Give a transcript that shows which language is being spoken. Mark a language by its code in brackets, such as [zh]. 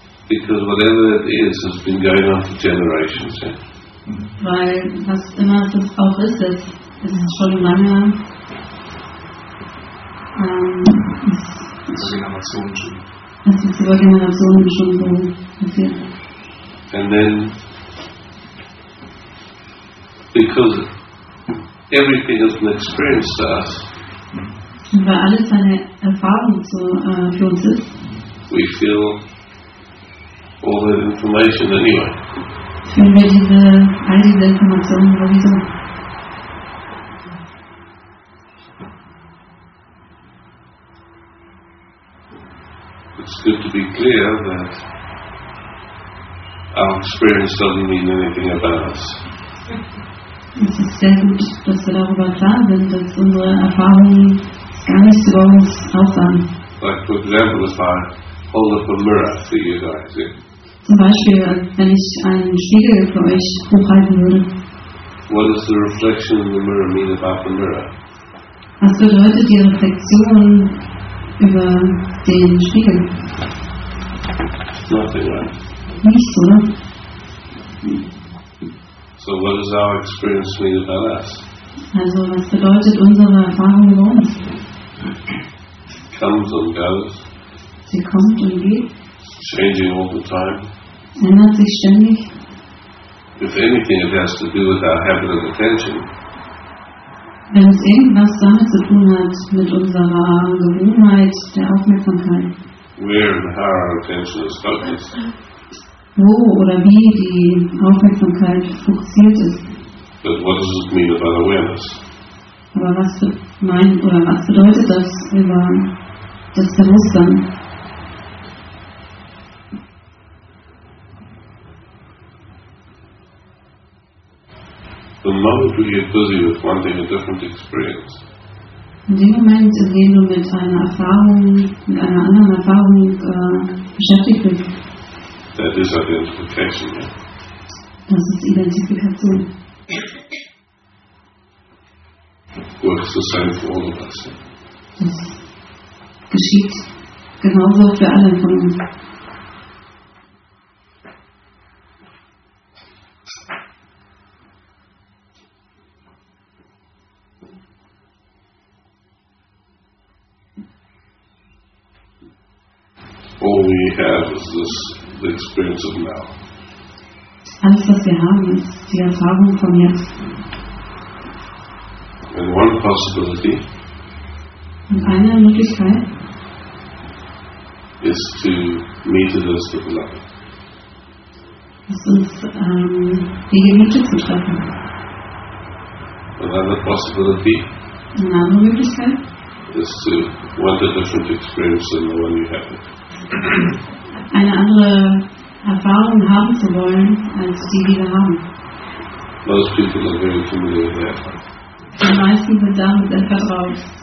[en] Because whatever it is has been going on for generations. Yeah? [de] Weil was immer es auch ist, es ist schon lange Generationen schon. Es ist über Generationen schon so passiert. [en] And then because everything is an experience to us. [de] Und weil alles eine Erfahrung für uns ist. [en] We feel all that information anyway. [de] Fühlen wir diese all diese Informationen sowieso. [en] It's good to be clear that our experience doesn't mean anything about us. [de] Es ist sehr gut, dass wir darüber klar sind, dass unsere Erfahrungen gar nicht so bei uns aussahen. [en] Like for example, if I hold up a mirror for you guys. [de] Zum Beispiel, wenn ich einen Spiegel für euch hochhalten würde. [en] What does the reflection in the mirror mean about the mirror? [de] Was bedeutet die Reflexion über den Spiegel? [en] Nothing, right? [de] Nichts, oder? [en] So what does our experience mean about us? [de] Also, was bedeutet unsere Erfahrung über uns? [en] Comes and goes. [de] Sie kommt und geht. [en] Changing all the time. [de] Ändert sich ständig. [en] If anything, it has to do with our habit of attention. [de] Wenn es irgendwas damit zu tun hat, mit unserer Gewohnheit der Aufmerksamkeit. [en] Where and how our attention is focused. [de] Wo oder wie die Aufmerksamkeit fokussiert ist. [en] But what does it mean about awareness? [de] Aber was meint oder was bedeutet das über das Bewusstsein? [en] The moment we get busy with wanting a different experience. [de] In dem Moment, in dem du mit einer Erfahrung, mit einer anderen Erfahrung beschäftigt bist. [en] That is identification, yeah. [de] Das ist Identifikation. [en] Works the same for all of us. [de] Das geschieht genauso für alle von uns. [en] All we have is this, the experience of now. [de] Alles, was wir haben, ist die Erfahrung von jetzt. [en] And one possibility. [de] Und eine Möglichkeit. [en] Is to meet it as the beloved. [de] Ist uns die Geliebte zu treffen. [en] Another possibility. [de] Eine andere Möglichkeit. [en] Is to want a different experience than the one you have. [de] Eine andere Erfahrung haben zu wollen, als die, die wir haben. [en] Most people are very familiar with that. [de] Die meisten sind damit sehr vertraut.